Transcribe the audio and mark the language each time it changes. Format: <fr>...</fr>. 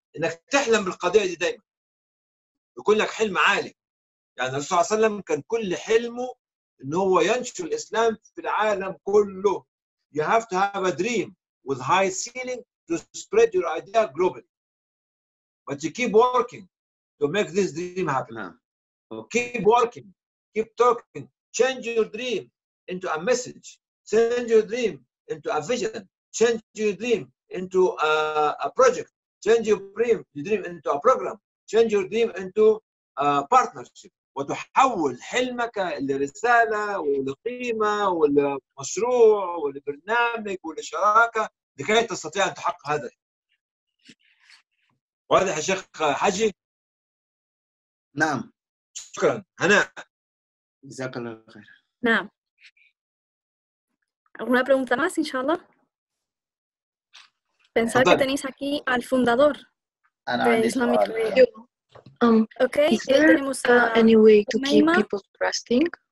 <ar>انك تحلم بالقضيه دي دايما يكون لك حلم عالي يعني الرسول صلى الله عليه وسلم كان كل حلمه ان هو ينشر الاسلام في العالم كله.</ar> <en>You have to have a dream with high ceiling to spread your idea globally. But you keep working to make this dream happen. Keep working, keep talking, change your dream into a message, change your dream into a vision, change your dream into a project, change your dream into a program, change your dream into a partnership.</en> <ar>وتحول حلمك لرسالة ولقيمة ولمشروع ولبرنامج ولشراكة لكي تستطيع أن تحقق هذا. واضح يا شيخ حجي؟ نعم. شكرا. هناء. جزاك الله خير. نعم.</ar> <es>¿Alguna pregunta más, inshallah? Pensaba que tenéis aquí al fundador de Islamic Radio.</es> <en>Is there any way to keep people trusting?</en>